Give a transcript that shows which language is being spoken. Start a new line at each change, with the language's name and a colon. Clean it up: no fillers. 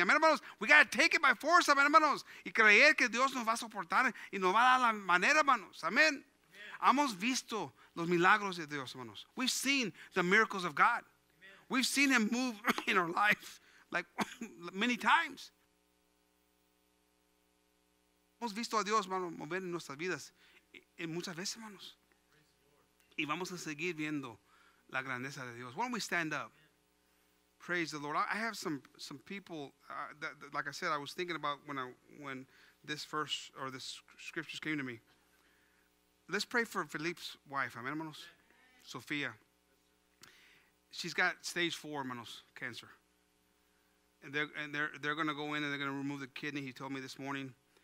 Spanish: Amen, hermanos.
English: We got to take it by force,
Spanish: amen, hermanos. Y creer que Dios nos va a soportar y nos va a dar la manera, hermanos. Amen. Hemos visto los milagros de Dios, hermanos.
English: We've seen the miracles of God. We've seen him move in our life like many times.
Spanish: Hemos visto a Dios, hermano, mover en nuestras vidas en muchas veces, hermanos. Y vamos a seguir viendo la grandeza de Dios.
English: Why don't we stand up? Praise the Lord. I have some people that, like I said, I was thinking about when this verse or this scriptures came to me. Let's pray for Philippe's wife, amen, hermanos. Sophia. She's got stage 4, hermanos, cancer. And they're going to go in and they're going to remove the kidney, he told me this morning.